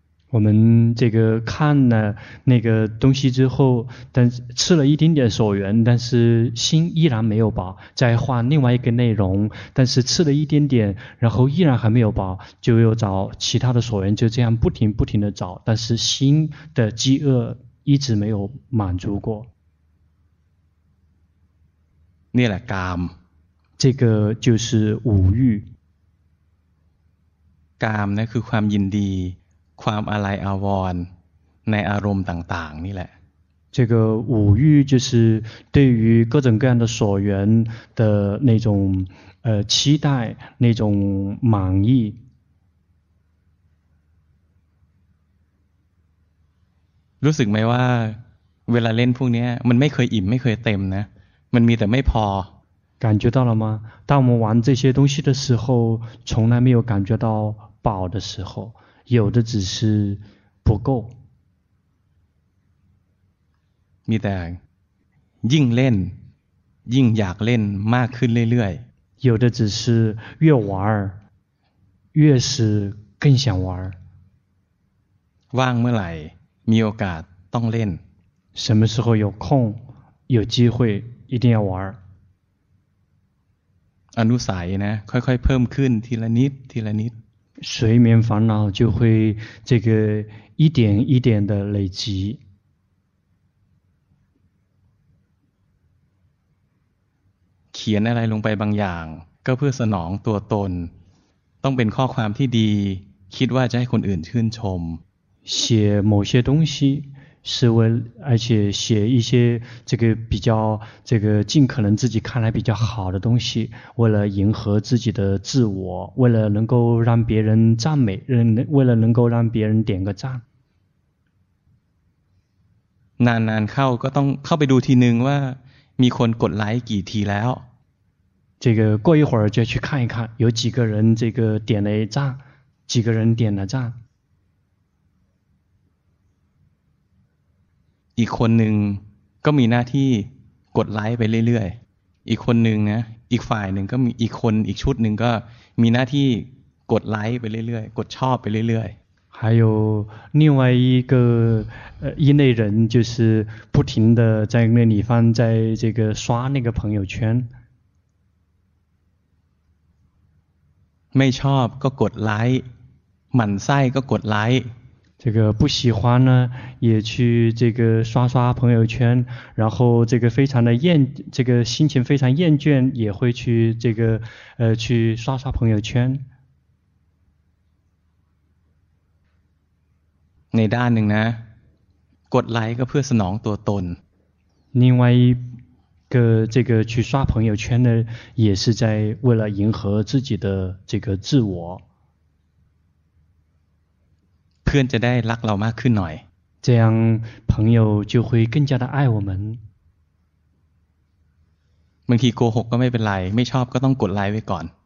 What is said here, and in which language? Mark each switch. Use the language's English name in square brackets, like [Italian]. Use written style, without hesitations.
[Chinese] 我们这个看了那个东西之后但吃了一丁点所缘但是心依然没有饱再换另外一个内容但是吃了一点点然后依然还没有饱就又找其他的所缘就这样不停不停的找但是心的饥饿一直没有满足过那了甘这个就是五欲甘那是 [Thai] ความยินดีความอาลัยอาวรณ์ในอารมณ์ต่างๆนี่แหละ [Chinese] 这个五欲就是对于各种各样的所缘的那种期待那种满意 [Thai] รู้สึกไหมว่าเวลาเล่นพวกนี้มันไม่เคยอิ่มไม่เคยเต็มนะมันมีแต่ไม่พอ [Chinese] 感觉到了吗当我们玩这些东西的时候从来没有感觉到饱的时候有的只是不够 [Thai] มีแต่ยิ่งเล่นยิ่งอยากเล่นมากขึ้นเรื่อย [Chinese] ๆ有的只是越玩越是更想玩 [Thai] ว่างเมื่อไหร่มีโอกาสต้องเล่น [Chinese] 什么时候有空有机会一定要玩 [Thai] อนุสัยนะค่อยๆเพิ่มขึ้นทีละนิดทีละนิด [Chinese] 睡眠烦恼就会这个一点一点的累积 [Thai] เขียนอะไรลงไปบางอย่างก็เพื่อสนองตัวตนต้องเป็นข้อความที่ดีคิดว่าจะให้คนอื่นชื่นชม [Chinese] 写某些东西是为而且写一些这个比较这个尽可能自己看来比较好的东西为了迎合自己的自我为了能够让别人赞美为了能够让别人点个赞 [Thai] นานๆเข้าก็ต้องเข้าไปดูทีนึงว่ามีคนกดไลค์กี่ทีแล้ว [Chinese] 这个过一会儿就去看一看有几个人这个点了赞几个人点了赞 [Thai] อีกคนหนึ่งก็มีหน้าที่กดไลค์ไปเรื่อยๆอีกคนหนึ่งนะอีกฝ่ายหนึ่งก็มีอีกคนอีกชุดหนึ่งก็มีหน้าที่กดไลค์ไปเรื่อยๆกดชอบไปเรื่อย [Chinese] ๆ还有另外一个一类人就是不停的在那里方在这个刷那个朋友圈 [Thai] ไม่ชอบก็กดไลค์หมั่นไส้ก็กดไลค์ [Chinese] 这个不喜欢呢也去这个刷刷朋友圈然后这个非常的厌这个心情非常厌倦也会去这个去刷刷朋友圈 [Thai] ในด้านหนึ่งนะกดไลค์ก็เพื่อสนองตัวตน [Chinese] 另外一个这个去刷朋友圈呢也是在为了迎合自己的这个自我 [Thai] เพื่อนจะได้รักเรามากขึ้นหน่อย [Chinese] 这样朋友就会更加的爱我们 [Thai] บางทีโกหกก็ไม่เป็นไรไม่ชอบก็ต้องกดไลค์ไว้ก่อน